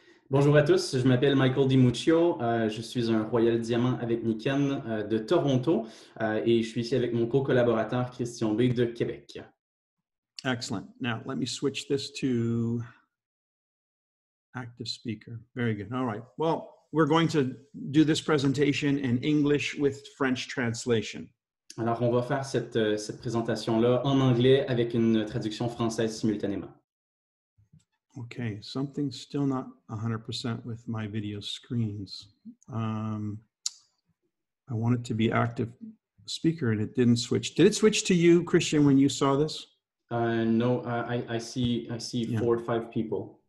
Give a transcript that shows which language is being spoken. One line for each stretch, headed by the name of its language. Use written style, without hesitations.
French: Bonjour à tous, je m'appelle Michael DiMuccio, je suis un Royal Diamant avec NECAN de Toronto et je suis ici avec mon co-collaborateur Christian B de Québec.
English: Excellent. Now, let me switch this to active speaker. Very good. All right. Well, we're going to do this presentation in English with French translation.
French: Alors, on va faire cette présentation-là en anglais avec une traduction française simultanément.
English: Okay, something's still not 100% with my video screens. I want it to be active speaker and it didn't switch. Did it switch to you, Christian, when you saw this? No, I see yeah. 4 or 5 people.